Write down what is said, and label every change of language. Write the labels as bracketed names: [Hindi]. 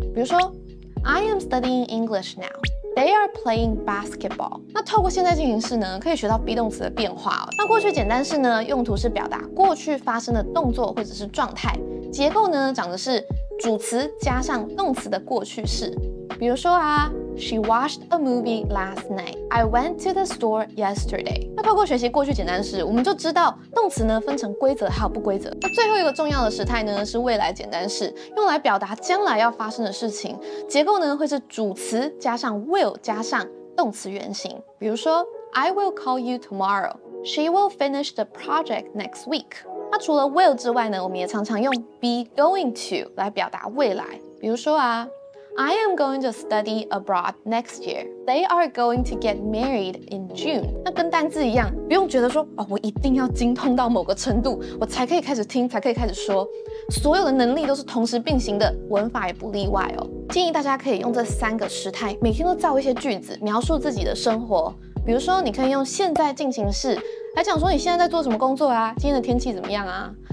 [Chinese] 比如说 [English] I am studying English now, they are playing basketball。 [Chinese] 那透过现在进行式呢可以学到 be 动词的变化哦。那过去简单式呢用途是表达过去发生的动作或者是状态，结构呢长的是主词加上动词的过去式。比如说啊， [English] She watched a movie last night. I went to the store yesterday. [Chinese] 那透过学习过去简单式，我们就知道动词呢分成规则还有不规则。那最后一个重要的时态呢是未来简单式，用来表达将来要发生的事情，结构呢会是主词加上 will 加上动词原形。比如说， [English] I will call you tomorrow. She will finish the project next week. [Chinese] 那除了 will 之外呢，我们也常常用 be going to 来表达未来。比如说啊， [English] I am going to study abroad next year. They are going to get married in June. [Chinese] 那跟单字一样，不用觉得说、哦、我一定要精通到某个程度，我才可以开始听，才可以开始说。所有的能力都是同时并行的，文法也不例外哦。建议大家可以用这三个时态，每天都造一些句子，描述自己的生活。比如说，你可以用现在进行式来讲说你现在在做什么工作啊，今天的天气怎么样啊？